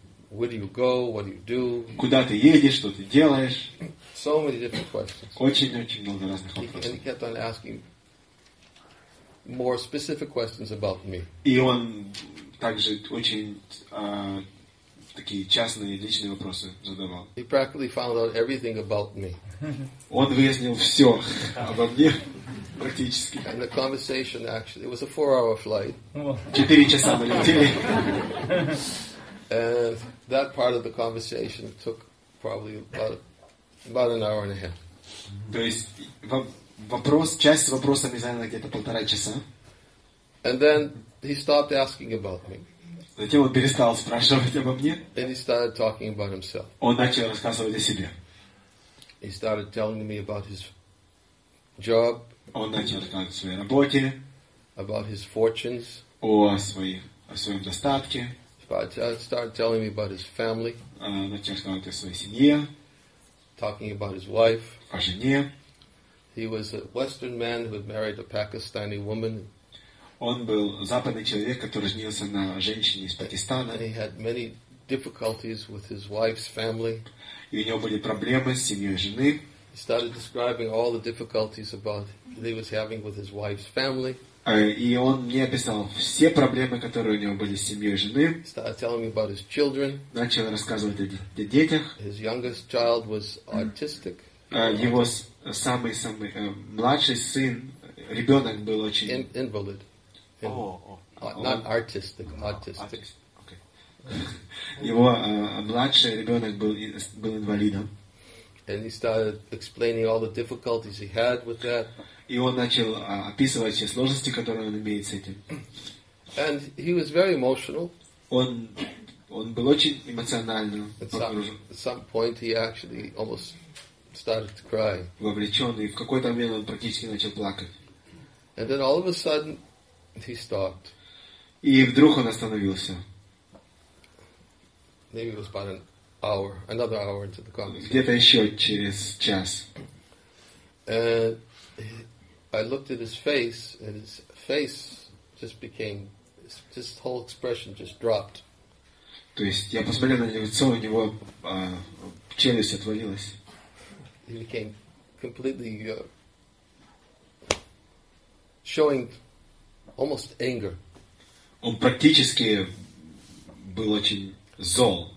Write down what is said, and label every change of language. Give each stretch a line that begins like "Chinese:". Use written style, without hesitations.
English: Where do you go? What do you do?
Russian: Куда ты едешь? Что ты делаешь?
English: So many different questions.
Russian: Очень-очень много разных вопросов.
English: And he kept on asking more specific questions about me.
Russian: И он также очень такие частные, личные вопросы задавал.
English: He practically found out everything about me.
Russian: Он выяснил все обо мне практически.
English: And the conversation actually, it was a 4-hour flight.
Russian: 4 часа мы летели.
English: And that part of the conversation took probably about About an hour and a half.
Russian: То есть вопрос, часть вопроса мне заняла где-то полтора часа.
English: And then he stopped asking about me.
Russian: Затем он перестал спрашивать обо мне.
English: And he started talking about himself.
Russian: Он начал рассказывать о себе.
English: He started telling me about his job.
Russian: Он начал рассказывать о своей работе.
English: About his fortunes.
Russian: О своем достатке.
English: Started telling me about his family.
Russian: Начал рассказывать о своей семье.
English: Talking about his wife.
Russian: О жене.
English: He was a Western man who had married a Pakistani woman.
Russian: Он был западный человек, который женился на женщине из Пакистана.
English: And he had many difficulties with his wife's family.
Russian: И у него были проблемы с семьей жены.
English: He started describing all the difficulties about he was having with his wife's family.
Russian: И он мне описал все проблемы, которые у него были с семьей жены.
English: Started telling me about his children.
Russian: Начал рассказывать о детях.
English: His youngest child was autistic.
Russian: Его самый младший сын, ребенок был очень...
English: Invalid. Not artistic, autistic. Okay.
Russian: Его младший ребенок был инвалидом.
English: And he started explaining all the difficulties he had with that.
Russian: И он начал описывать все сложности, которые он имеет с этим.
English: And he was very emotional.
Russian: Он был очень эмоциональным.
English: At some point he actually almost started to cry.
Russian: Вовлеченный. В какой-то момент он практически начал плакать.
English: And then all of a sudden he stopped.
Russian: И вдруг он остановился.
English: Maybe it was about an hour, another hour into the conversation.
Russian: Где-то еще через час.
English: And I looked at his face, and his face just became, his whole expression just dropped.
Russian: То есть я посмотрел на него лицо, у него челюсть отвалилась.
English: He became completely showing almost anger.
Russian: Он практически был очень зол.